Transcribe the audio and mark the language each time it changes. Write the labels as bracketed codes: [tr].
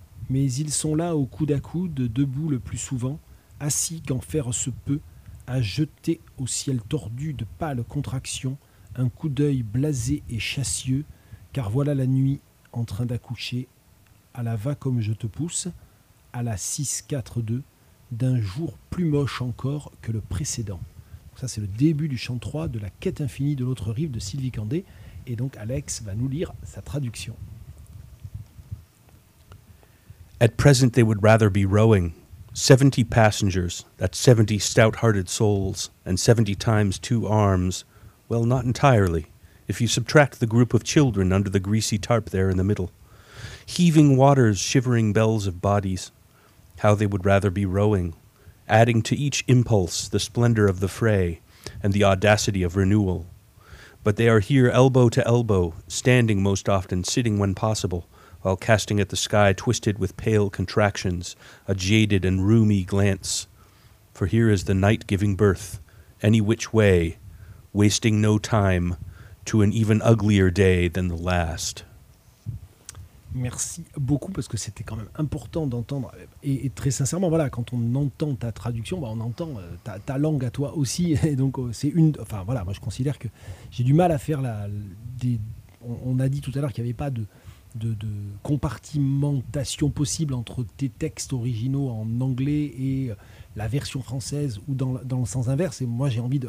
[fr] Mais ils sont là au coude à coude, debout le plus souvent, assis quand faire se peut, à jeter au ciel tordu de pâles contractions un coup d'œil blasé et chassieux, car voilà la nuit en train d'accoucher à la va comme je te pousse, à la 6-4-2, d'un jour plus moche encore que le précédent. Ça, c'est le début du chant 3 de La quête infinie de l'autre rive de Sylvie Candé. Et donc, Alex va nous lire sa traduction. [en] At present, they would rather be rowing. 70 passengers, that's 70 stout-hearted souls, and 70 times two arms. Well, not entirely, if you subtract the group of children under the greasy tarp there in the middle. Heaving waters, shivering bells of bodies. How they would rather be rowing, adding to each impulse the splendor of the fray and the audacity of renewal. But they are here elbow to elbow, standing most often, sitting when possible, while casting at the sky twisted with pale contractions, a jaded and rheumy glance. For here is the night giving birth, any which way, wasting no time, to an even uglier day than the last. [fr] Merci beaucoup, parce que c'était quand même important d'entendre, et très sincèrement, voilà, quand on entend ta traduction, on entend ta langue à toi aussi, et donc c'est une... Enfin voilà, moi je considère que j'ai du mal à faire on a dit tout à l'heure qu'il n'y avait pas de compartimentation possible entre tes textes originaux en anglais et la version française ou dans le sens inverse. Et moi, j'ai envie de...